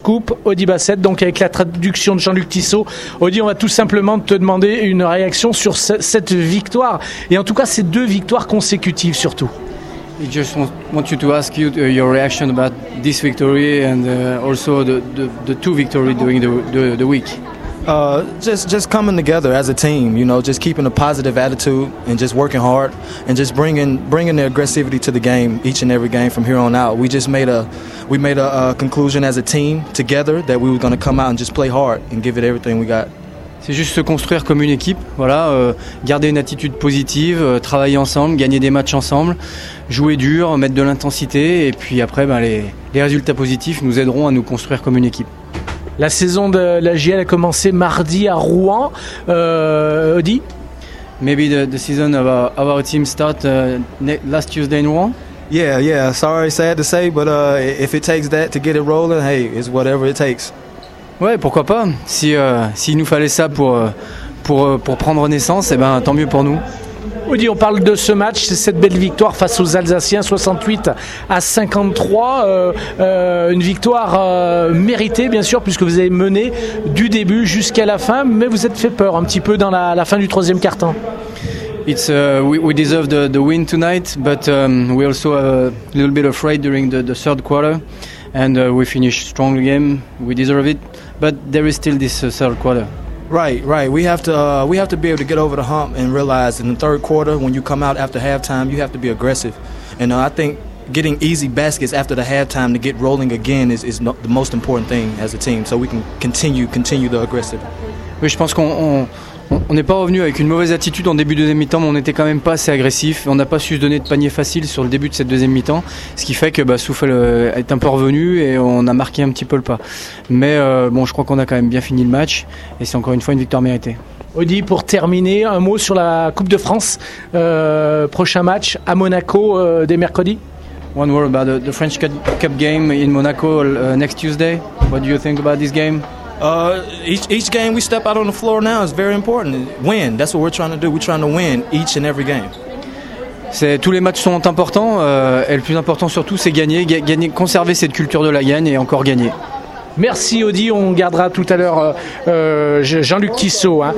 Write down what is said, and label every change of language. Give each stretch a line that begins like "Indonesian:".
French: scoop, Audi Bassett, donc avec la traduction de Jean-Luc Tissot. Audi, on va tout simplement te demander une réaction sur cette victoire, et en tout cas ces deux victoires consécutives surtout.
English: I just want you to ask you your reaction about this victory and also the two victories during the week. Just coming together as a team, you know, just keeping a positive attitude and just working hard and just bringing the aggressivity to the game each and every game from here on out. We just made a conclusion as a team together that we were going to come out and just play hard and give it everything we got.
French: C'est juste se construire comme une équipe, voilà, garder une attitude positive, travailler ensemble, gagner des matchs ensemble, jouer dur, mettre de l'intensité, et puis après, ben, les résultats positifs nous aideront à nous construire comme une équipe. La saison de la JL a commencé mardi à Rouen. Audi?
English: Maybe the season of our team start last Tuesday in Rouen. Yeah. Sorry, sad to say, but if it takes that to get it rolling, hey, it's whatever it takes.
French: Ouais, pourquoi pas. S'il nous fallait ça pour prendre naissance, eh ben tant mieux pour nous. Audi, on parle de ce match, c'est cette belle victoire face aux Alsaciens, 68 à 53, une victoire méritée bien sûr, puisque vous avez mené du début jusqu'à la fin, mais vous êtes fait peur un petit peu dans la fin du troisième quart-temps.
English: It's we deserve the win tonight, but we also a little bit afraid during the third quarter. And we finished strong game. We deserve it, but there is still this third quarter. Right. We have to be able to get over the hump and realize in the third quarter when you come out after halftime, you have to be aggressive. And I think getting easy baskets after the halftime to get rolling again is not the most important thing as a team, so we can continue the aggressive.
French: Oui, je pense qu'on n'est pas revenu avec une mauvaise attitude en début de deuxième mi-temps, mais on n'était quand même pas assez agressif. On n'a pas su se donner de panier facile sur le début de cette deuxième mi-temps, ce qui fait que Souffle est un peu revenu et on a marqué un petit peu le pas. Mais bon, je crois qu'on a quand même bien fini le match et c'est encore une fois une victoire méritée. Audi, pour terminer, un mot sur la Coupe de France. Prochain match à Monaco dès mercredi.
English: One word about the French Cup game in Monaco next Tuesday. What do you think about this game? Each game we step out on the floor now is very important. Win, that's what we're trying to do. We're trying to win each and every game.
French: C'est, tous les matchs sont importants. Et le plus important surtout, c'est gagner, conserver cette culture de la gagne et encore gagner. Merci Audi. On gardera tout à l'heure Jean-Luc Tissot. Hein.